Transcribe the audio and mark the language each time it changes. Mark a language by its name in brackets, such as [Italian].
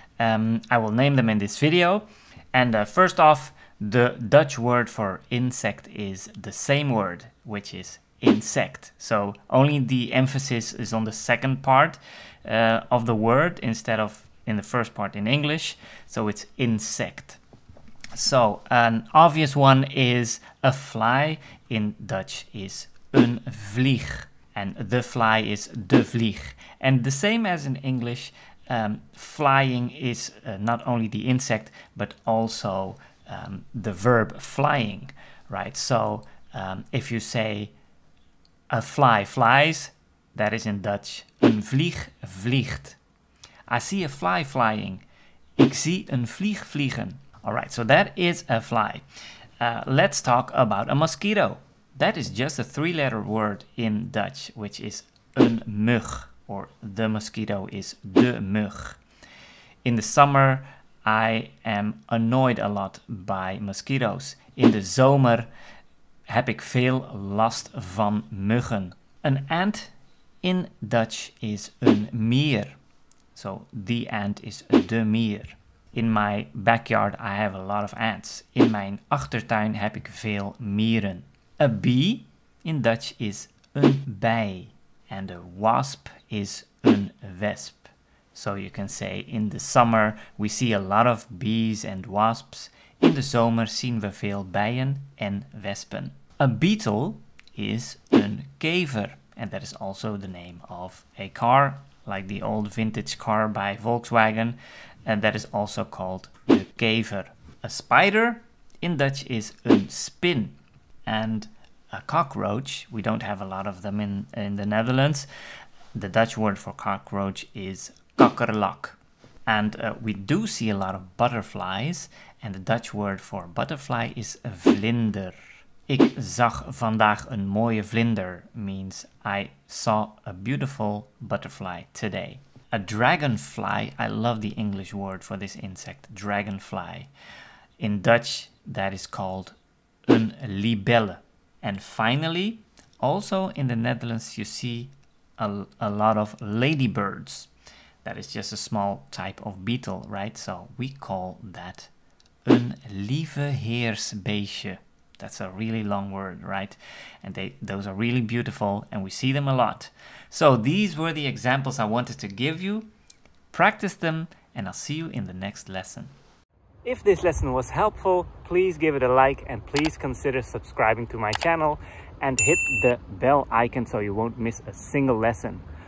[English] I will name them in this video. And first off, the Dutch word for insect is the same word, which is insect. So only the emphasis is on the second part of the word instead of in the first part in English. So it's insect. So an obvious one is a fly in Dutch is [Dutch] een vlieg. [English] And the fly is [Dutch] de vlieg. [English] And the same as in English, flying is not only the insect, but also the verb flying, right? So if you say a fly flies, that is in Dutch, [Dutch] een vlieg vliegt. [English] I see a fly flying. [Dutch] Ik zie een vlieg vliegen. [English] All right, so that is a fly. Let's talk about a mosquito. That is just a three-letter word in Dutch, which is [Dutch] een mug, [English] or the mosquito is [Dutch] de mug. [English] In the summer, I am annoyed a lot by mosquitoes. [Dutch] In de zomer heb ik veel last van muggen. [English] An ant in Dutch is [Dutch] een mier. [English] So the ant is [Dutch] de mier. [English] In my backyard, I have a lot of ants. [Dutch] In mijn achtertuin heb ik veel mieren. [English] A bee in Dutch is [Dutch] een bij. [English] And a wasp is [Dutch] een wesp. [English] So you can say in the summer we see a lot of bees and wasps. [Dutch] In de zomer zien we veel bijen en wespen. [English] A beetle is [Dutch] een kever. [English] And that is also the name of a car, like the old vintage car by Volkswagen. And that is also called [Dutch] de kever. [English] A spider in Dutch is [Dutch] een spin. [English] And a cockroach, we don't have a lot of them in the Netherlands. The Dutch word for cockroach is kakkerlak. And we do see a lot of butterflies. And the Dutch word for butterfly is vlinder. [Dutch] Ik zag vandaag een mooie vlinder [English] means I saw a beautiful butterfly today. A dragonfly, I love the English word for this insect, dragonfly. In Dutch, that is called [Dutch] een libelle. [English] And finally, also in the Netherlands, you see a lot of ladybirds. That is just a small type of beetle, right? So we call that [Dutch] een lieve heersbeestje. [English] That's a really long word, right? And those are really beautiful and we see them a lot. So these were the examples I wanted to give you. Practice them and I'll see you in the next lesson. If this lesson was helpful, please give it a like and please consider subscribing to my channel and hit the bell icon so you won't miss a single lesson.